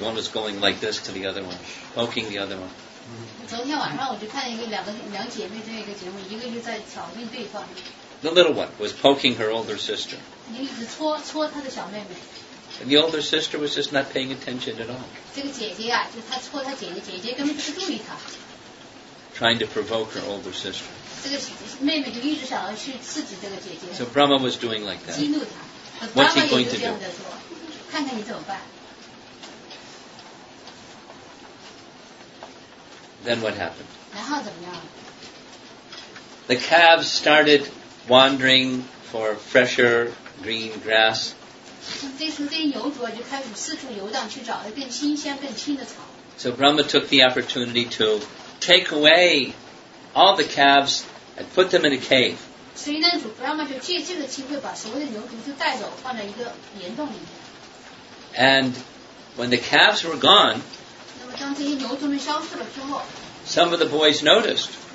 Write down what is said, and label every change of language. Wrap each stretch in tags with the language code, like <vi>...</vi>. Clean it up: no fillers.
<en>One was going like this to the other one, poking the other one.</en> <zh>昨天晚上我就看见一个两姐妹这样一个节目，一个就在挑衅对方。</zh> <en>The little one was poking her older sister.</en> <zh>一直戳她的小妹妹。</zh> <en>And the older sister was just not paying attention at all.</en> <zh>这个姐姐啊，就她戳她姐姐，姐姐根本不注意她。</zh> <en>Trying to provoke her older sister.</en> <zh>这个妹妹就一直想要去刺激这个姐姐。</zh> <en>So Brahma was doing like that.</en> <zh>激怒她。</zh> <en>What's he going to do?</en> <zh>看看你怎么办。</zh> <en>Then what happened?</en> <zh>然后怎么样？</zh> <en>The calves started wandering for fresher green grass.</en> <zh>这牛主就开始四处游荡，去找更新鲜、更青的草。</zh> <en>So Brahma took the opportunity to take away all the calves and put them in a cave.</en> <zh>所以那主 Brahma 就借这个机会把所有的牛犊就带走，放在一个岩洞里面。</zh> <en>And when the calves were gone,Some of the boys noticed.</en>